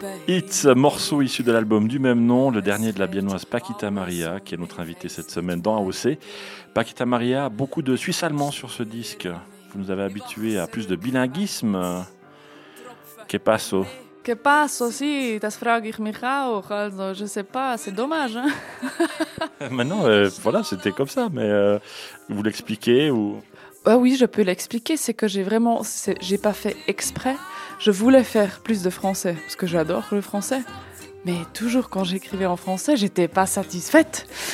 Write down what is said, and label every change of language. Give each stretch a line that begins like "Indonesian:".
French: It's un morceau issu de l'album du même nom, le dernier de la biennoise Paquita Maria, qui est notre invitée cette semaine dans AOC. Paquita Maria, beaucoup de Suisse allemand sur ce disque. Vous nous avez habitués à plus de bilinguisme.
Spanish: Que paso? Que paso, si,
German: das frage ich mich auch.
French: Also, je ne sais pas, c'est dommage. Maintenant, voilà, c'était comme ça. Mais vous l'expliquez ou... Ah oui, je peux l'expliquer. C'est que j'ai pas fait exprès. Je voulais faire plus de français, parce que j'adore le français. Mais toujours quand j'écrivais en français, j'étais pas satisfaite.